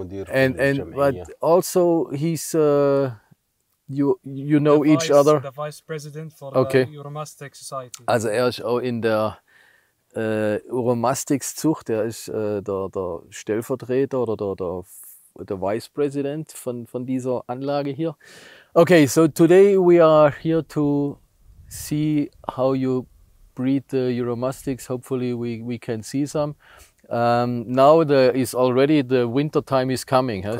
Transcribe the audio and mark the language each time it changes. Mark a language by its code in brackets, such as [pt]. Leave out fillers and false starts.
[en] And but also he's you know each other. The vice president for the Uromastyx society. [de] Also er ist auch in der Uromastyx Zucht. Er ist der Stellvertreter oder der Vice President von dieser Anlage hier. [en] Okay, so today we are here to see how you breed the Uromastyx. Hopefully we can see some. Now there is already the winter time is coming, huh?